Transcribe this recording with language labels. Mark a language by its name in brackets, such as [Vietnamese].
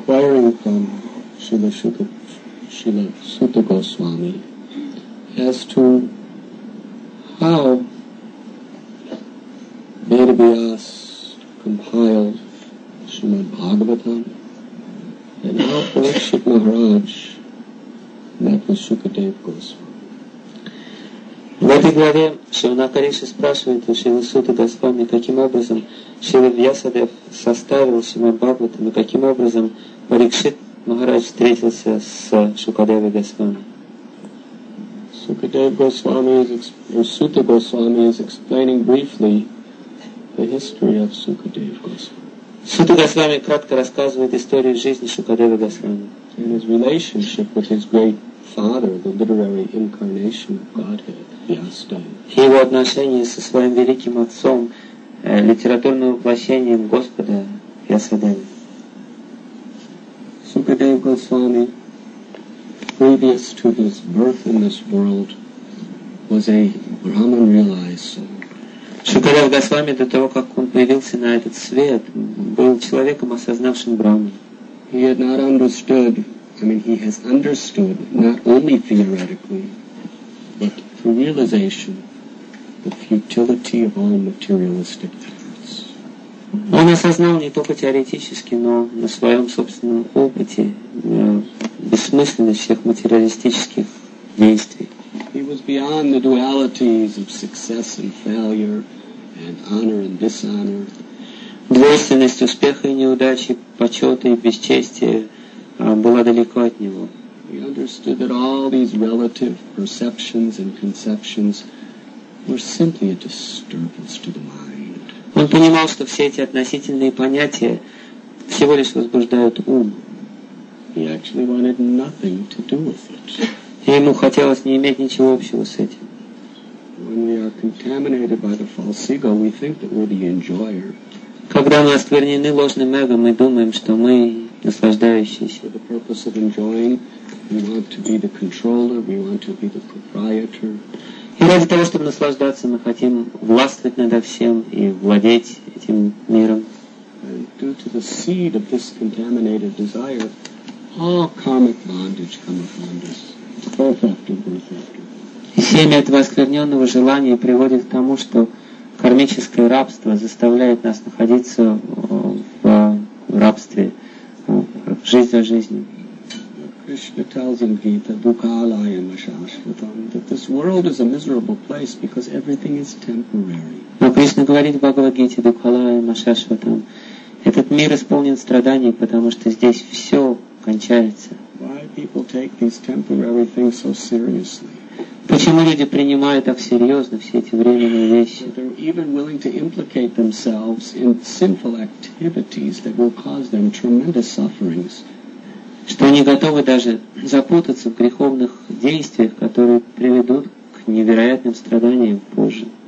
[English] Srila Sutta Goswami as to how Veda Vyas compiled Srimad Bhagavatam and how Parikshit Maharaj met with Shukadev Goswami. [Russian] В этой главе Шрина Кариша спрашивает у Шрила Сутта Госвами, каким образом Шрила Вьясадев составил Шрима Бхагаватам и каким образом Парикшит Махарадж встретился с Шукадеви Госвами. [English] Sutta Goswami is explaining briefly the history of Shukadev Goswami. [Russian] Sutta Goswami кратко рассказывает историю жизни Шукадеви Госвами. [English] And his relationship with his great father, the literary incarnation of Godhead, Vyasadeva. [Russian] Его отношения со своим великим отцом, литературным воплощением Господа, Вьясадевой. [English] Sukadev Goswami, previous to his birth in this world, was a Brahman realized soul. [Russian] Sukadev Goswami, до того как он появился на этот свет, был человеком, осознавшим Брахман. [English] He has understood not only theoretically, but through realization, the futility of all materialistic efforts. [Russian] Он осознал не только теоретически, но на своем собственном опыте бессмысленность всех материалистических действий. [English] He was beyond the dualities of success and failure, and honor and dishonor. [Russian] Двойственность успеха и неудачи, почета и бесчестия была далеко от него. [English] He understood that all these relative perceptions and conceptions were simply a disturbance to the mind. [Russian] Он понимал, что все эти относительные понятия всего лишь возбуждают ум. [English] He actually wanted nothing to do with it. [Russian] И ему хотелось не иметь ничего общего с этим. [English] When we are contaminated by the false ego, we think that we're the enjoyer. [Russian] Когда мы осквернены ложным эго, мы думаем, что мы наслаждающиеся. [English] For the purpose of enjoying, we want to be the controller, we want to be the proprietor. [Russian] И ради того, чтобы наслаждаться, мы хотим властвовать над всем и владеть этим миром. [English] Due to the seed of this contaminated desire, all karmic bondage come upon us. [Russian] И семя этого оскверненного желания приводит к тому, что кармическое рабство заставляет нас находиться в рабстве, жизнь за жизнью. [English] Krishna tells in Gita, Bukalayam Ashashvatam, that this world is a miserable place because everything is temporary. [Russian] Но Кришна говорит в Бхагавад-гите, Бхукалайам Ашашватам, этот мир исполнен страданий, потому что здесь все кончается. [English] Why people take these temporary things so seriously? [Russian] Почему люди принимают так серьезно все эти временные вещи? [English] They're even willing to implicate themselves in sinful activities that will cause them tremendous sufferings. [Russian] что они готовы даже запутаться в греховных действиях, которые приведут к невероятным страданиям позже.